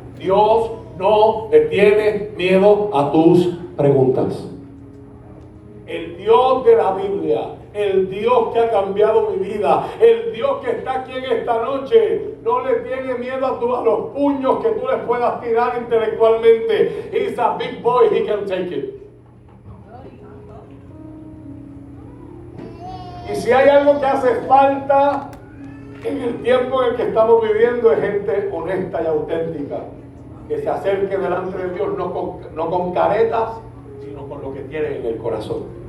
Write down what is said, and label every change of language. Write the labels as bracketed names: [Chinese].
[Spanish] Dios no te tiene miedo a tus preguntas. El Dios de la Biblia, el Dios que ha cambiado mi vida, el Dios que está aquí en esta noche, no le tiene miedo a los puños que tú le puedas tirar intelectualmente. [English] He's a big boy, he can take it. [Spanish] Y si hay algo que hace falta en el tiempo en el que estamos viviendo, es gente honesta y auténtica que se acerque delante de Dios, no con caretas, sino con lo que tiene en el corazón.